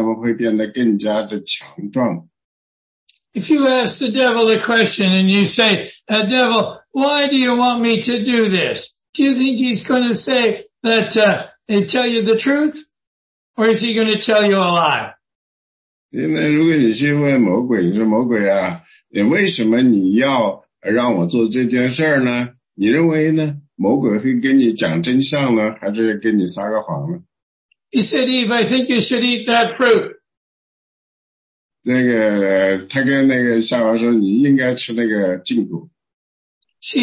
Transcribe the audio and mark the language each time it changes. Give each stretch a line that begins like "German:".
Chinese: 这个呢，国王呢，并没有对他们说呢，我他们吃这样的食物是为了要方便去控制他们，而他是说呢，我给他们吃这些食物呢，让他们会变得更加的强壮。
English: If you ask the devil a question and you say, devil, why do you want me to do this? Do you think he's going to say that and tell you the truth? Or is he going to tell you a lie?
Chinese: 因为如果你去问魔鬼，你说魔鬼啊，你为什么你要让我做这件事呢？你认为呢，魔鬼会跟你讲真相呢，还是跟你撒个谎呢？
English: He said, Eve, I think you should eat that fruit.
Chinese: 那个，他跟那个夏娃说：“你应该吃那个禁果。”
English: She